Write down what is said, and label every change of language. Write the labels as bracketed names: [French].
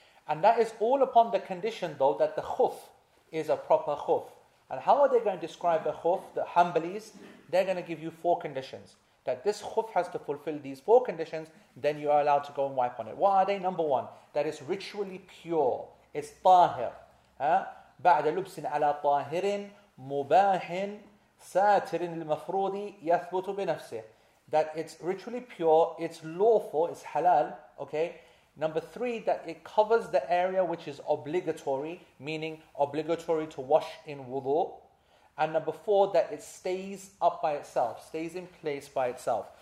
[English] And that is all upon the condition, though, that the khuf is a proper khuf. And how are they going to describe the khuf, the Hanbalis? They're going to give you four conditions. That this khuf has to fulfill these four conditions, then you are allowed to go and wipe on it. What are they? Number one, that it's ritually pure. It's tahir. [Arabic] بعد لبس على طاهر مباح ساتر المفروض يثبت بنفسه. [English] That it's ritually pure, it's lawful, it's halal, okay? Number three, that it covers the area which is obligatory, meaning obligatory to wash in wudu. And number four, that it stays up by itself, stays in place by itself.